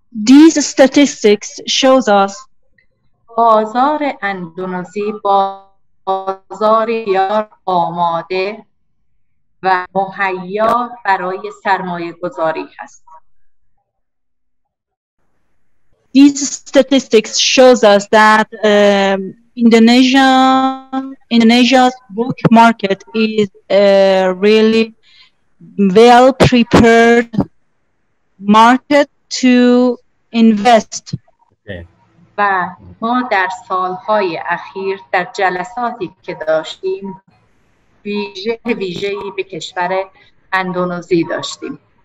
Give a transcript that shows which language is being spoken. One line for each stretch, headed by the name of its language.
English: These statistics shows us
Persian: بازار اندونزی بازاری آماده و مهیا برای سرمایه گذاری است.
English: These statistics shows us that Indonesia's book market is really well prepared market to invest.
Persian: و ما در سال‌های اخیر در جلساتی که داشتیم ویژه‌ای به کشور اندونزی داشتیم.